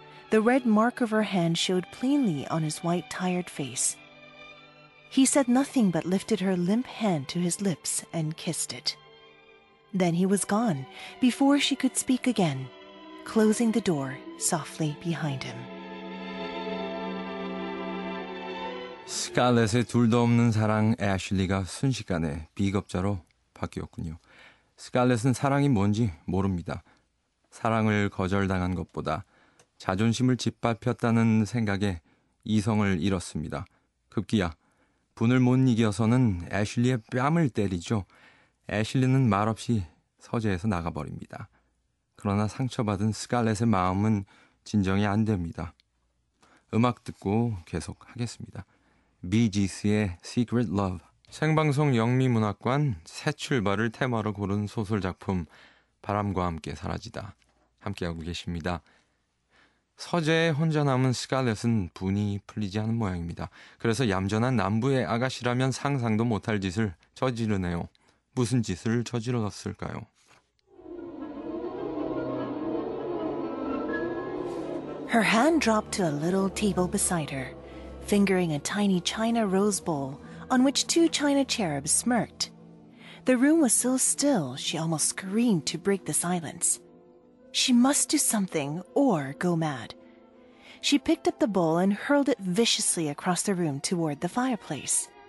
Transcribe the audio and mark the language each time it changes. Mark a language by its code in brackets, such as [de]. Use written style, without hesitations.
[en] The red mark of her hand showed plainly on his white, tired face. He said nothing but lifted her limp hand to his lips and kissed it. Then he was gone, before she could speak again, closing the door softly behind him. [ko] 스칼렛의 둘도 없는 사랑 애슐리가 순식간에 비겁자로 바뀌었군요. 스칼렛은 사랑이 뭔지 모릅니다. 사랑을 거절당한 것보다 자존심을 짓밟혔다는 생각에 이성을 잃었습니다. 급기야 분을 못 이겨서는 애슐리의 뺨을 때리죠. 애슐리는 말없이 서재에서 나가버립니다. 그러나 상처받은 스칼렛의 마음은 진정이 안 됩니다. 음악 듣고 계속하겠습니다. BGC의 Secret Love. 생방송 영미문학관 새 출발을 테마로 고른 소설 작품 바람과 함께 사라지다 함께하고 계십니다. 서재에 혼자 남은 스칼렛은 분이 풀리지 않은 모양입니다. 그래서 얌전한 남부의 아가씨라면 상상도 못할 짓을 저지르네요. 무슨 짓을 저질렀을까요? [en] 'Her hand dropped to a little table beside her, fingering a tiny china rose bowl on which two china cherubs smirked. The room was so still, she almost screamed to break the silence. She must do something or go mad. She picked up the bowl and hurled it viciously across the room toward the fireplace.